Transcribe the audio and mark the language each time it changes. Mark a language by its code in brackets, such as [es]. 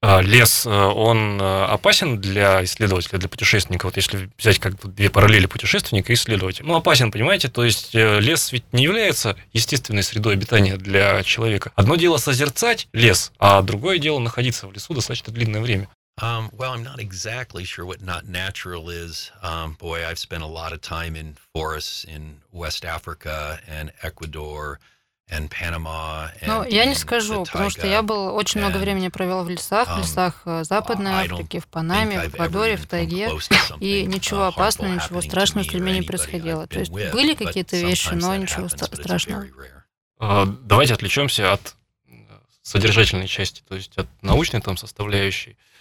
[ru] Лес, он опасен для исследователя, для путешественника? Вот если взять как бы две параллели путешественника и исследователя. Ну, опасен, понимаете? То есть лес ведь не является естественной средой обитания для человека. Одно дело созерцать лес, а другое дело находиться в лесу достаточно длинное время. [en] Well, I'm not exactly sure what not natural is. Boy, I've spent a lot of time in forests in West Africa and Ecuador and Panama. [ru] Ну, я не скажу, потому что я был очень много времени провел в лесах, лесах Западной Африки, в Панаме, в Эквадоре, в тайге, и ничего опасного, ничего страшного с людьми не происходило. То есть были какие-то вещи, но ничего страшного. Давайте отвлечемся от содержательной части, то есть от научной там составляющей.